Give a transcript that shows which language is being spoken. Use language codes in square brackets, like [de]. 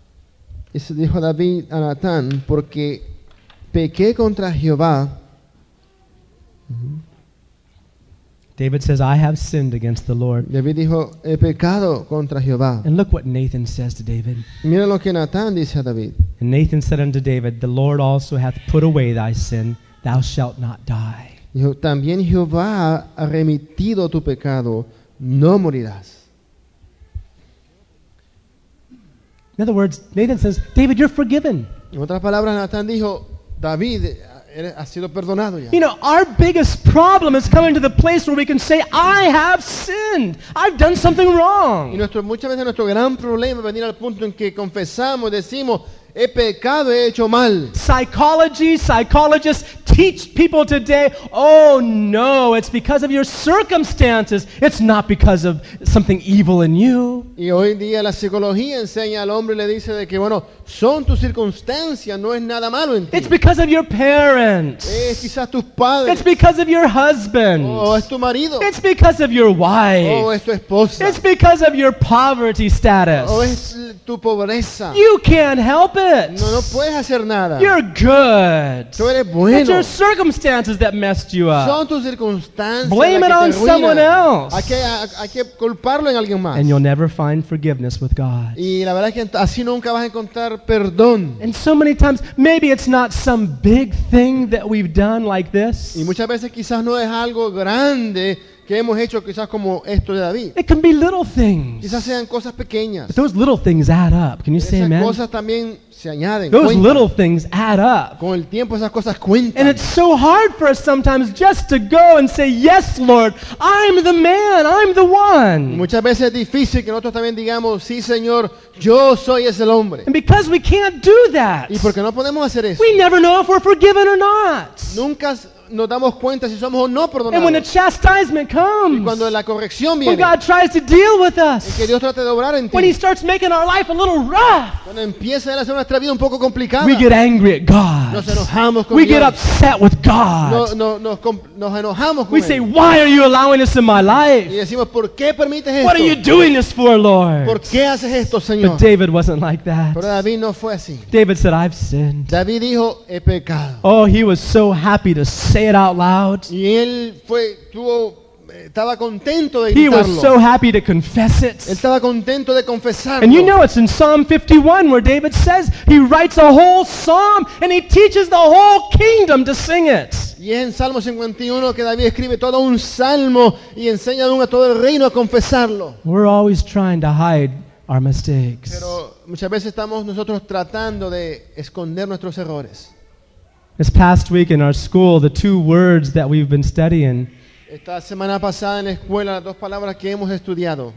[en] Verse 13. [es] En el verso 13, dijo David a Natán, porque pequé contra Jehová. [en] David says, I have sinned against the Lord. [es] David dijo, he pecado contra Jehová. [en] And look what Nathan says to David. [es] Mira lo que Natán dice a David. [en] And Nathan said unto David, the Lord also hath put away thy sin, thou shalt not die. [es] Dijo, también Jehová ha remitido tu pecado, no morirás. [en] In other words, Nathan says, David, you're forgiven. [es] En otras palabras, Natán dijo, David, ha sido perdonado ya. [en] You know, our biggest problem is coming to the place where we can say, I have sinned. I've done something wrong. [es] Y nuestro, muchas veces nuestro gran problema es venir al punto en que confesamos, decimos, he pecado, he hecho mal. [en] Psychologists teach people today, oh no, it's because of your circumstances. It's not because of something evil in you. [es] Y hoy en día la psicología enseña al hombre y le dice de que, bueno, son tus circunstancias, no es nada malo en ti. [en] It's because of your parents. [es] Es quizás tus padres. [en] It's because of your husband. [es] Oh, es tu marido. [en] It's because of your wife. [es] Oh, es tu esposa. [en] It's because of your poverty status. [es] Oh, es tu pobreza. [en] You can't help it. [es] No puedes hacer nada. [en] You're good. [es] Tú eres bueno. [en] It's your circumstances that messed you up. [es] Son tus circunstancias. [en] Blame it on someone else. [es] Hay que culparlo en alguien más. [en] And you'll never find forgiveness with God. [es] Y la verdad es que así nunca vas a encontrar perdón. [en] And so many times, maybe it's not some big thing that we've done like this. [es] Y muchas veces quizás no es algo grande que hemos hecho, quizás como esto de David. [en] It can be little things. [es] Quizás sean cosas pequeñas. [en] But those little things add up. Can you say amen? [es] Esas cosas también se añaden. [en] Those [es] cuentan. [en] Little things add up. [es] Con el tiempo esas cosas cuentan. [en] And it's so hard for us sometimes just to go and say, yes, Lord, I'm the man, I'm the one. [es] Muchas veces es difícil que nosotros también digamos, sí, Señor, yo soy ese hombre. [en] And because we can't do that, [es] y porque no podemos hacer eso, [en] we never know if we're forgiven or not. [es] Nunca nos damos cuenta si somos o no perdonados. [en] And when the chastisement comes, [es] y cuando la corrección viene, [en] when God tries to deal with us, [es] y que Dios trate de obrar en ti, [en] when He starts making our life a little rough, [es] cuando empieza a hacer nuestra vida un poco complicada, [en] we get angry at God. [es] Nos enojamos con [en] we [es] Dios. [en] Get upset with God. [es] Nos enojamos con [en] we [es] él. [en] Say, why are you allowing this in my life? [es] Y decimos, ¿por qué permites esto? [en] What are you doing this for, Lord? [es] ¿Por qué haces esto, Señor? [en] But David wasn't like that. [es] Pero David no fue así. [en] David said, I've sinned. [es] David dijo, he pecado. [en] Oh, he was so happy to say say it out loud. [es] Y él fue, tuvo, estaba contento de gritarlo. [en] He was so happy to confess it. [es] Él estaba contento de confesarlo. [en] And you know it's in Psalm 51 where David says he writes a whole psalm and he teaches the whole kingdom to sing it. [es] Y es en Salmo 51 que David escribe todo un salmo y enseña a todo el reino a confesarlo. [en] We're always trying to hide our mistakes. [es] Pero muchas veces estamos nosotros tratando de esconder nuestros errores. [en] This past week in our school, the two words that we've been studying, [es] esta semana pasada en la escuela, las dos palabras que hemos estudiado,